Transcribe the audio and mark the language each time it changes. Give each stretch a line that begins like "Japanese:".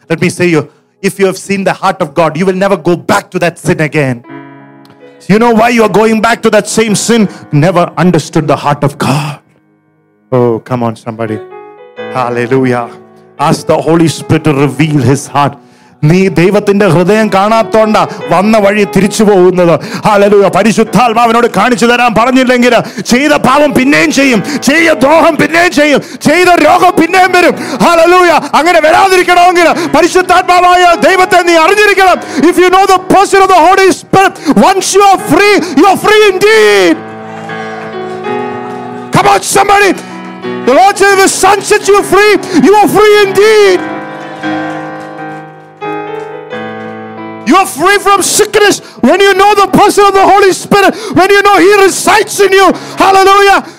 English: Let me say you, if you have seen the heart of God, you will never go back to that sin again. You know why you are going back to that same sin? Never understood the heart of God. Oh, come on, somebody. Hallelujah. Ask the Holy Spirit to reveal his heart.
Malayalam: നീ ദൈവത്തിന്റെ ഹൃദയം കാണാത്തോണ്ട വന്ന വഴി തിരിച്ചു പോകുന്നത്. Hallelujah. പരിശുദ്ധാത്മാവിനോട് കാണിച്ചു തരാൻ പറഞ്ഞില്ലെങ്കിൽ ചെയ്ത പാപം പിന്നെയും ചെയ്യും, ചെയ്ത ദ്രോഹം പിന്നെയും ചെയ്യും, ചെയ്ത രോഗം പിന്നെയും വരും. ഹല്ലേലൂയ. അങ്ങനെ വരാതിരിക്കണമെങ്കിൽ പരിശുദ്ധാത്മാവായ ദൈവത്തെ നീ അറിഞ്ഞിരിക്കണം.
English: If you know the person of the Holy Spirit, once you are free indeed. Come on, somebody. The Lord Jesus the Son set you free. You are free indeed. You are free from sickness when you know the person of the Holy Spirit, when you know he resides in you. Hallelujah.